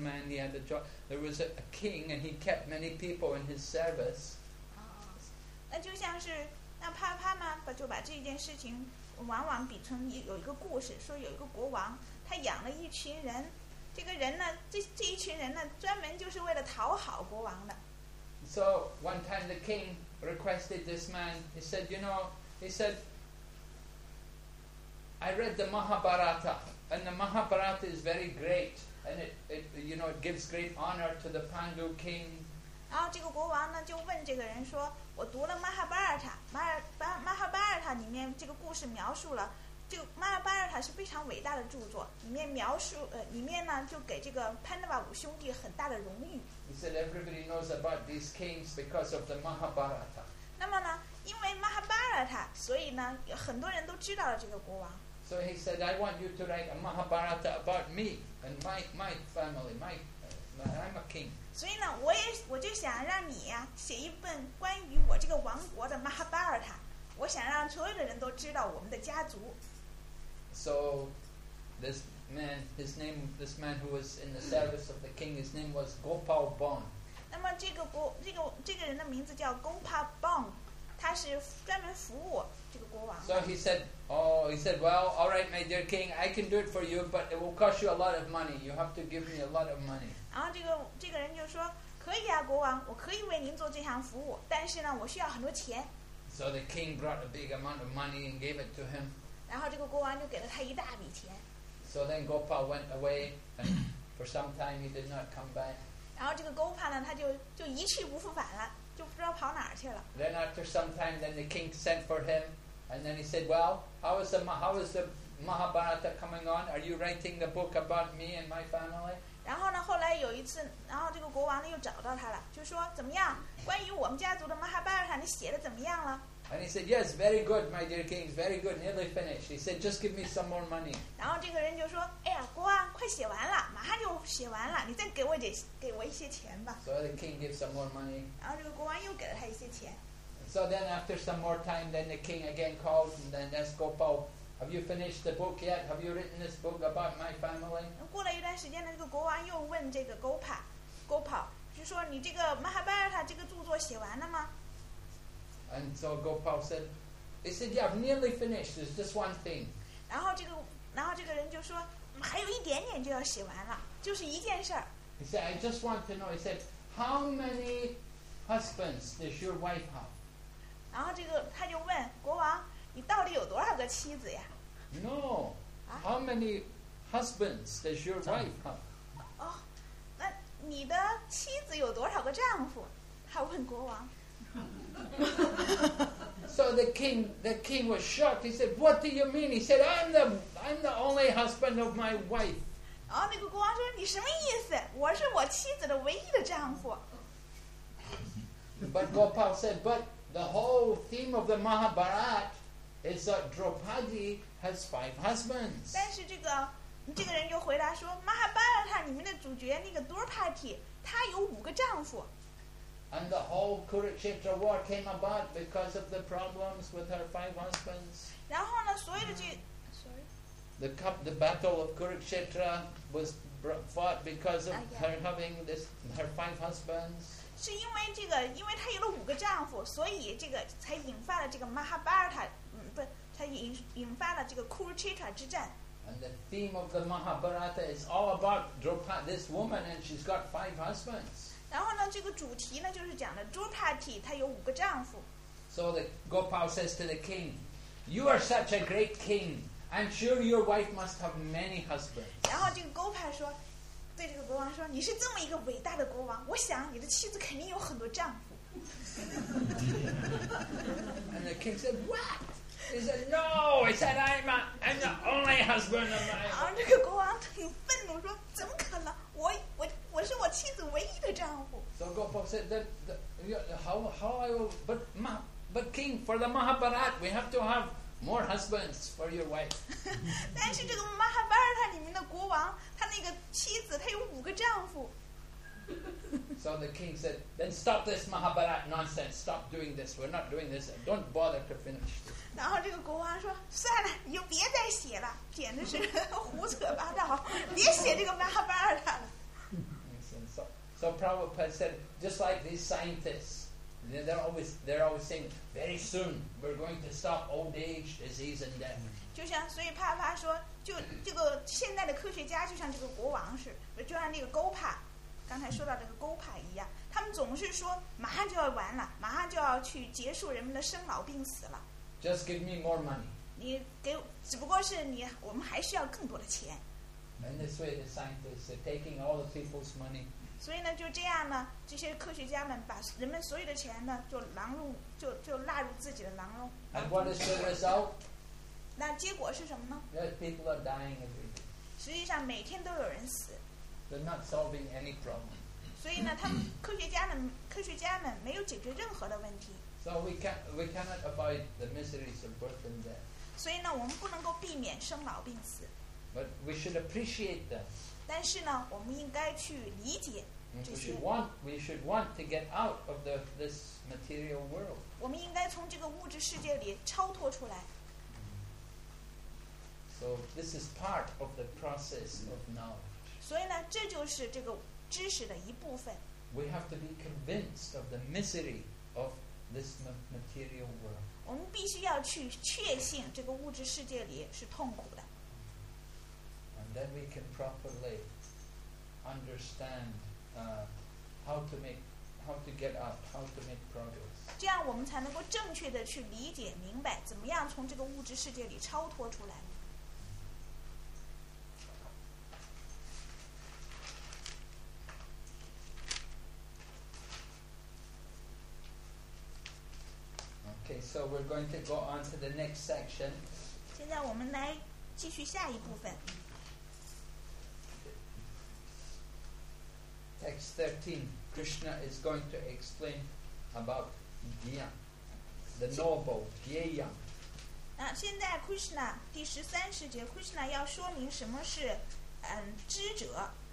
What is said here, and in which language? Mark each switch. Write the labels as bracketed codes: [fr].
[en] He had a job. There was a king and he kept many people in his service. [zh] 那就像是那帕帕嘛，就把这件事情往往比成有一个故事，说有一个国王。他养了一群人，这个人呢，这一群人呢，专门就是为了讨好国王的。 [en] So one time the king requested this man. He said, "You know," he said, "I read the Mahabharata, and the Mahabharata is very great, and it gives great honor to the Pandu king." [zh] 然后这个国王呢，就问这个人说：“我读了《Mahabharata》，《Mahabharata》里面这个故事描述了。” 这个《马哈巴尔塔》是非常伟大的著作，里面描述里面呢就给这个潘德瓦五兄弟很大的荣誉。 [en] He said everybody knows about these kings because of the Mahabharata. [zh] 那么呢，因为《马哈巴尔塔》，所以呢，很多人都知道了这个国王。 [en] So he said, "I want you to write a Mahabharata about me and my family, I'm a king." [zh] 所以呢，我就想让你呀写一本关于我这个王国的《马哈巴尔塔》。我想让所有的人都知道我们的家族。 [en] So, this man, his name, this man who was in the service of the king, his name was Gopal Bhan. [zh] 那么这个人的名字叫 Gopal Bhan， 他是专门服务这个国王。 [en] So he said, "Oh, he said, well, all right, my dear king, I can do it for you, but it will cost you a lot of money. You have to give me a lot of money." [zh] 然后这个人就说，可以啊，国王，我可以为您做这项服务，但是呢，我需要很多钱。 [en] So the king brought a big amount of money and gave it to him. [zh] 然后这个国王就给了他一大笔钱。 [en] So then Gopal went away, and for some time he did not come back. [zh] 然后这个 Gopal 呢，他就一去不复返了，就不知道跑哪儿去了。 [en] Then after some time, then the king sent for him, and then he said, "Well, how is the Mahabharata coming on? Are you writing the book about me and my family?" [zh] 然后呢，后来有一次，然后这个国王呢又找到他了，就说怎么样？关于我们家族的 Mahabharata， 你写的怎么样了？ [en] And he said, "Yes, very good, my dear king. Very good, nearly finished." He said, "Just give me some more money." [zh] 然后这个人就说，哎呀，国王，快写完了，马上就写完了，你再给我一些钱吧。 [en] So the king gave some more money. [zh] 然后这个国王又给了他一些钱。 [en] So then, after some more time, then the king again called and then asked Gopal, "Have you finished the book yet? Have you written this book about my family?" [zh] 过了一段时间呢，这个国王又问这个 Gopal， 就说你这个 Mahabharata 这个著作写完了吗？ [en] And so Gopal said, "Yeah, I've nearly finished. There's just one thing." [zh] 然后这个人就说，还有一点点就要写完了，就是一件事儿。 [en] He said, "I just want to know." He said, "How many husbands does your wife have?" [zh] 然后这个他就问国王，你到底有多少个妻子呀 [en] ？No.、啊、 How many husbands does your wife have? [zh] 哦，那你的妻子有多少个丈夫？他问国王。 [en] So the king was shocked. He said, "What do you mean?" He said, I'm the only husband of my wife." [zh] 然后那个国王说，你什么意思？我是我妻子的唯一的丈夫。 [en] But Gopal said, "But the whole theme of the Mahabharat is that Draupadi has five husbands." [zh] 但是这个人就回答说 ，Mahabharata 里面的主角那个 Draupadi， 她有五个丈夫。 [en] And the whole Kurukshetra war came about because of the problems with her five husbands. [zh] 然后呢，所有的这 [en] The battle of Kurukshetra was fought because of her having this her five husbands. [zh] 是因为这个，因为她有了五个丈夫，所以这个才引发了这个 Mahabharata， 才引发了这个 Kurukshetra 之战。 [en] And the theme of the Mahabharata is all about Draupadi, this woman, and she's got five husbands. [zh] 然后呢，这个主题呢，就是讲的 Draupadi 她有五个丈夫。 [en] So the Gopal says to the king, "You are such a great king. I'm sure your wife must have many husbands." [zh] 然后这个 Gopal 说，对这个国王说，你是这么一个伟大的国王，我想你的妻子肯定有很多丈夫。 [en] And the king said, "What?" He said, "No." He said, "I'm the only husband of my." [zh] 然后这个国王挺愤怒，说怎么可能？我是我妻子唯一的丈夫。 [en] So Gopal said that how I will, but king, for the Mahabharata, we have to have more husbands for your wife. [zh] 但是这个 Mahabharata 里面的国王，他那个妻子，他有五个丈夫。 [en] So the king said, "Then stop this Mahabharata nonsense. Stop doing this. We're not doing this. Don't bother to finish." [zh] 然后这个国王说，算了，你就别再写了，简直是胡扯八道，别写这个 Mahabharata 了。 [en] So Prabhupada said, just like these scientists, they're always saying, "Very soon we're going to stop old age, disease, and death." [zh] 就像所以帕帕说，就这个现在的科学家就像这个国王是，就像那个 Gopa， 刚才说到这个 Gopa 一样，他们总是说马上就要完了，马上就要去结束人们的生老病死了。 [en] Just give me more money. [zh] 你给，只不过是你，我们还需要更多的钱。 [en] And this way, the scientists are taking all the people's money. [zh] 所以呢，就这样呢，这些科学家们把人们所有的钱呢，就囊入，就纳入自己的囊中。 [en] And what is the result? [zh] 那结果是什么呢 [en] ？Yeah, people are dying every day. [zh] 实际上，每天都有人死。 [en] They're not solving any problem. [zh] 所以呢，他们科学家们没有解决任何的问题。 [en] So we cannot avoid the miseries of birth and death. [zh] 所以呢，我们不能够避免生老病死。 [en] But we should appreciate them. [zh] 但是呢，我们应该去理解这些。 [en] We should want to get out of this material world. [zh] 我们应该从这个物质世界里超脱出来。 [en] So this is part of the process of knowledge. [zh] 所以呢，这就是这个知识的一部分。 [en] We have to be convinced of the misery of this material world. [zh] 我们必须要去确信这个物质世界里是痛苦的。 [en] Then we can properly understand how to make how to get up, how to make progress. [zh] 这样我们才能够正确的去理解明白怎么样从这个物质世界里超脱出来。 [en] Okay, so we're going to go on to the next section. [zh] 现在我们来继续下一部分。 [en] Text 13, Krishna is going to explain about Gyan, the noble Gyan. [zh] 啊，现在 Krishna 第十三十节 ，Krishna 要说明什么是知者，